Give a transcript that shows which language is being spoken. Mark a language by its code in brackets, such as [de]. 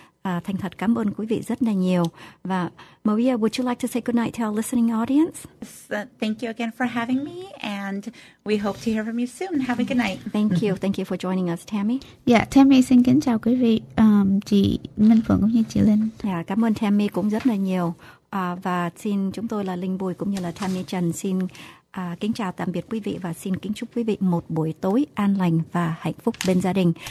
[vi] Thành thật cảm ơn quý vị rất là nhiều. [en] Và Maria, would you like to say goodnight to our listening audience? Thank you again for having me, and we hope to hear from you soon. Have a good night. Thank you. Thank you for joining us, Tammy. [vi] Yeah, Tammy xin kính chào quý vị, chị Minh Phượng cũng như chị Linh. Yeah, cảm ơn Tammy cũng rất là nhiều. Và xin chúng tôi là Linh Bùi cũng như là Tammy Trần xin kính chào tạm biệt quý vị, và xin kính chúc quý vị một buổi tối an lành và hạnh phúc bên gia đình.